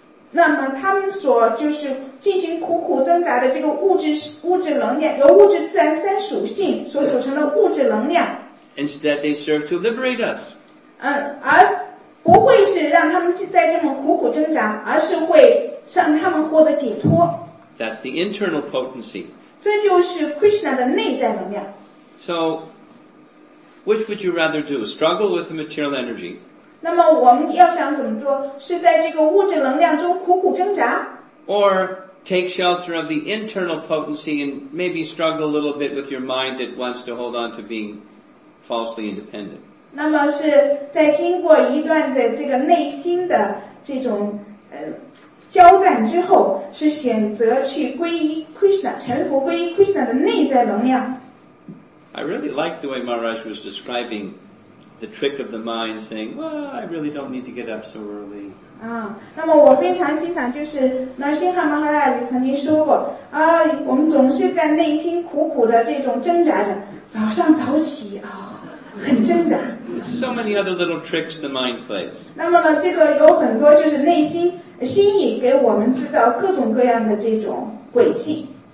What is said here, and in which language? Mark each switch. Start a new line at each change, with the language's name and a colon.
Chinese: 那么他们所就是进行苦苦挣扎的这个物质能量，由物质自然三属性所组成的物质能量。
English: Instead, they serve to liberate us.
Chinese: 而不会是让他们再这么苦苦挣扎，而是会让他们获得解脱。
English: That's the internal potency.
Chinese: 这就是 Krishna 的内在能量。
English: So, which would you rather do? Struggle with the material energy?
Chinese: 那么我们要想怎么做？是在这个物质能量中苦苦挣扎
English: ？Or take shelter of the internal potency and maybe struggle a little bit with your mind that wants to hold on to being falsely independent.
Chinese: 那么是在经过一段的这个内心的这种交战之后，是选择去皈依 Krishna， 臣服皈依 Krishna 的内在能量。
English: I really like the way Maharaj was describing. The trick of the mind saying, well, I really don't need to get up so early.
Chinese: 那么我非常欣赏就是 Narsingha Maharaj 曾经说过啊，我们总是在内心苦苦的这种挣扎着早上早起啊，很挣扎。
English: So many other little tricks the mind plays.
Chinese: 那么呢，这个有很多就是内心心意给我们制造各种各样的这种诡计。